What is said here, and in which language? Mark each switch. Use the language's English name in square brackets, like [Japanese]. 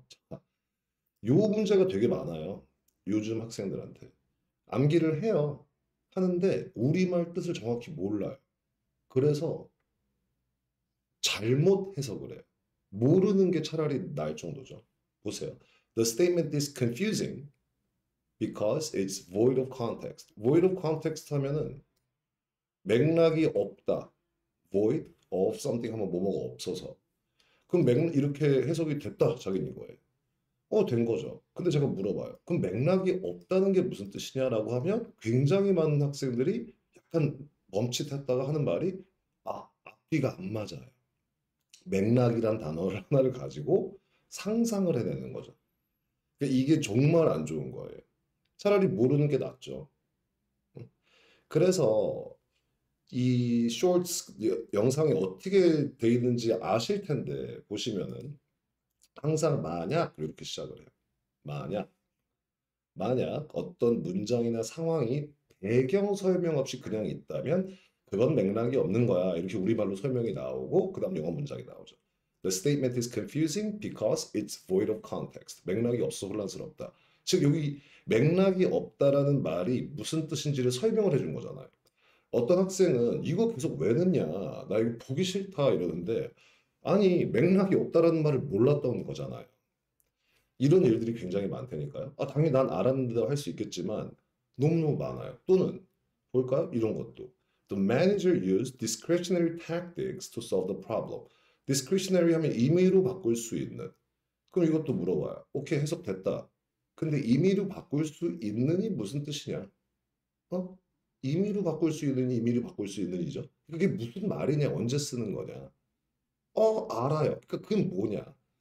[Korean] 자, 요 문제가 되게 많아요. 요즘 학생들한테 암기를 해요. 하는데 우리말 뜻을 정확히 몰라요. 그래서 잘못해서 그래요. 모르는 게 차라리 나을 정도죠. 보세요. [English] The statement is confusing because it's void of context. void of context [Korean] 하면은 맥락이 없다. [English] void of something [Korean] 하면 뭐뭐가 없어서. 그럼 이렇게 해석이 됐다, 자기는 이거예요. 된 거죠. 근데 제가 물어봐요. 그럼 맥락이 없다는 게 무슨 뜻이냐라고 하면 굉장히 많은 학생들이 약간 멈칫했다가 하는 말이, 아, 앞뒤가 안 맞아요. 맥락이란 단어를 하나를 가지고 상상을 해내는 거죠. 그러니까 이게 정말 안 좋은 거예요. 차라리 모르는 게 낫죠. 그래서 이 쇼츠 영상이 어떻게 돼 있는지 아실 텐데, 보시면은 항상 만약 이렇게 시작을 해요. 만약 어떤 문장이나 상황이 배경 설명 없이 그냥 있다면 그건 맥락이 없는 거야. 이렇게 우리말로 설명이 나오고 그다음 영어 문장이 나오죠. [English] The statement is confusing because it's void of context. [Korean] 맥락이 없어 혼란스럽다. 즉, 여기 맥락이 없다라는 말이 무슨 뜻인지를 설명을 해준 거잖아요. 어떤 학생은 이거 계속 왜 넣냐, 나 이거 보기 싫다 이러는데, 아니, 맥락이 없다라는 말을 몰랐던 거잖아요. 이런 일들이 굉장히 많다니까요. 아, 당연히 난 알았는데도 할수 있겠지만 너무너무 많아요. 또는 볼까요? 이런 것도. [English] The manager used discretionary tactics to solve the problem. [Korean] discretionary 하면 임의로 바꿀 수 있는. 그럼 이것도 물어봐요. 오케이, 해석됐다. 근데 임의로 바꿀 수 있느니 무슨 뜻이냐? 임의로 바꿀 수 있느니 임의로 바꿀 수 있느니죠? 그게 무슨 말이냐? 언제 쓰는 거냐? 알아요. 그러니까 그건 뭐냐?